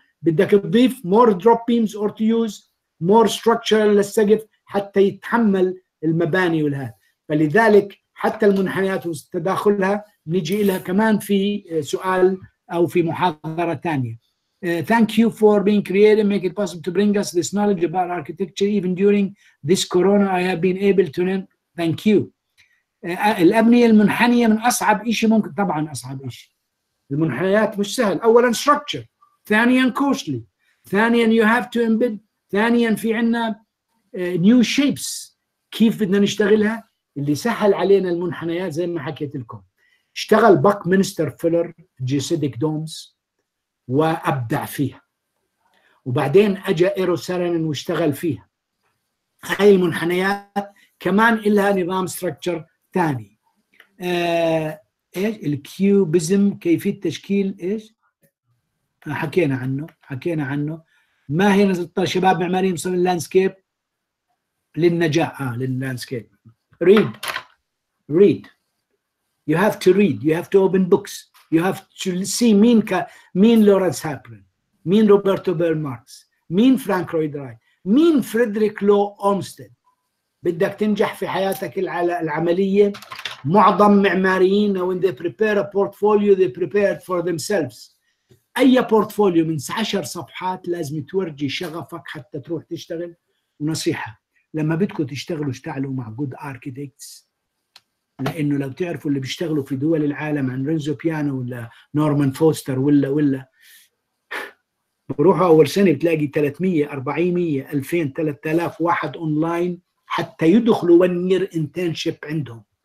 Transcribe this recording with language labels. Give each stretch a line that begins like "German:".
Arabic: بدك تضيف
English: more drop beams or to use more structural
Arabic: للسقف حتى يتحمل المباني والهذا فلذلك حتى المنحنيات وتداخلها نجي لها كمان في سؤال او في محاضره ثانيه
English: thank you for being creative, make it possible to bring us this knowledge about architecture. Even during this corona, I have been able to learn. Thank you.
Arabic: الأبنية المنحنية من أصعب إشي ممكن طبعاً أصعب إشي. المنحنيات مش سهل. أولاً structure. ثانياً costly. ثانياً
English: you have to embed.
Arabic: ثانياً في عنا
English: new shapes.
Arabic: كيف بدنا نشتغلها؟ اللي سهل علينا المنحنيات زي ما حكيت لكم. اشتغل Buckminster Fuller Jesidic Domes. وأبدع فيها وبعدين أجا إيرو سارنن واشتغل فيها هاي المنحنيات كمان إلها نظام ستركتشر تاني إيش الكيوبزم كيفية تشكيل إيش حكينا عنه حكينا عنه ما هي نزلت شباب معماريين مصر اللانسكيب للنجاة لللانسكيب
English: read read you have to read you have to open books You have to see mean Lawrence Hapren, mean Roberto Bellmarx, mean Frank Lloyd Wright, mean Frederick Law Olmsted.
Arabic: بدك تنجح في حياتك العملية. معظم معماريين
English: when they prepare a portfolio, they prepare it for themselves.
Arabic: أي portfolio من 10 صفحات لازم تورجي شغفك حتى تروح تشتغل. ونصيحة لما بدكوا تشتغلوا اشتغلوا مع
English: good architects.
Arabic: لانه لو تعرفوا اللي بيشتغلوا في دول العالم عن رينزو بيانو ولا نورمان فوستر ولا بروحوا اول سنه بتلاقي 300 400 2000 3000 واحد اونلاين حتى يدخلوا ونير انترنشيب عندهم